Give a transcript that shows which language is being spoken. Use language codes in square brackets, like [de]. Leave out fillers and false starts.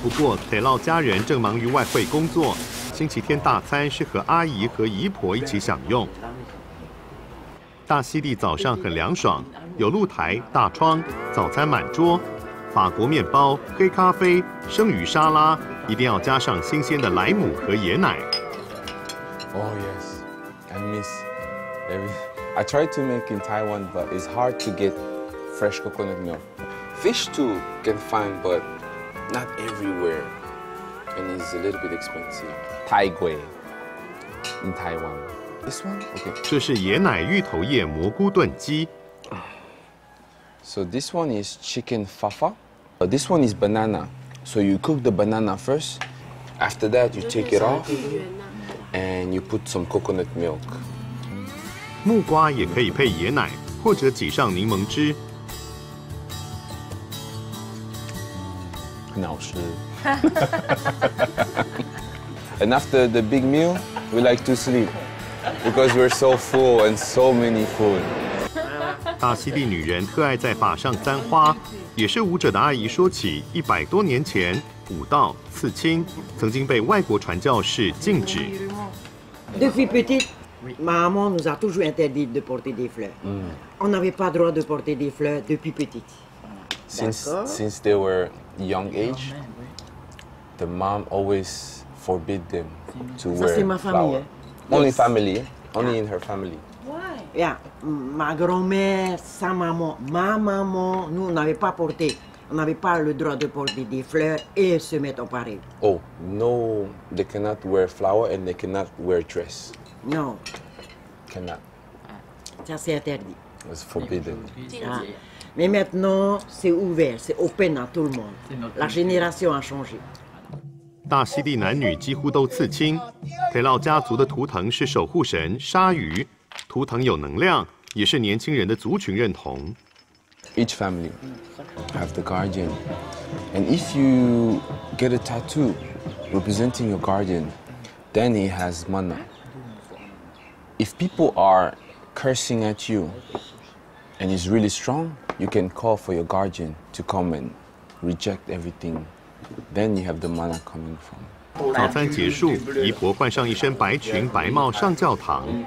[zh] 不过得劳家人正忙于外汇工作，星期天大餐是和阿姨和姨婆一起享用。大溪地早上很凉爽，有露台、大窗，早餐满桌，法国面包、黑咖啡、生鱼沙拉，一定要加上新鲜的莱姆和椰奶。 [en] Oh yes, I miss every. I try to make in Taiwan, but it's hard to get fresh coconut milk. Fish too can find, but not everywhere, and it's a little bit expensive. [zh] 太贵 [en] in Taiwan. This one? Okay. [zh] 这是椰奶芋头叶蘑菇炖鸡。 [en] So this one is chicken fafa. This one is banana. So you cook the banana first. After that, you take it off, and you put some coconut milk. [zh] 木瓜也可以配椰奶，或者挤上柠檬汁。很好吃。 [en] And after the big meal, we like to sleep. Because we're so full and so many food. [zh] 大溪地女人特爱在法上簪花，也是舞者的阿姨说起，一百多年前舞蹈刺青曾经被外国传教士禁止。 [fr] Depuis petite, ma maman nous a toujours interdit de porter des fleurs. On n'avait pas droit de porter des fleurs depuis petite. [en] Since they were young age, the mom always forbid them to wear flowers. Only family, only in her family. Why? [fr] Yeah, ma grand-mère, sa maman, ma maman, nous n'avions pas porté, on n'avait pas le droit de porter des fleurs et se mettre en pareil. [en] Oh, no, they cannot wear flowers and they cannot wear dress. No. Cannot. [fr] Ça, c'est interdit. [en] It's forbidden. Ah. [fr] Mais maintenant, c'est ouvert, c'est open à tout le monde. La génération a changé. [zh] 大溪地男女几乎都刺青，得劳家族的图腾是守护神鲨鱼，图腾有能量，也是年轻人的族群认同。 [en] Each family have the guardian, and if you get a tattoo representing your guardian, then it has mana. If people are cursing at you, and it's really strong, you can call for your guardian to come and reject everything. Then you have the mana coming from. [zh] 早餐结束，姨婆换上一身白裙白帽上教堂。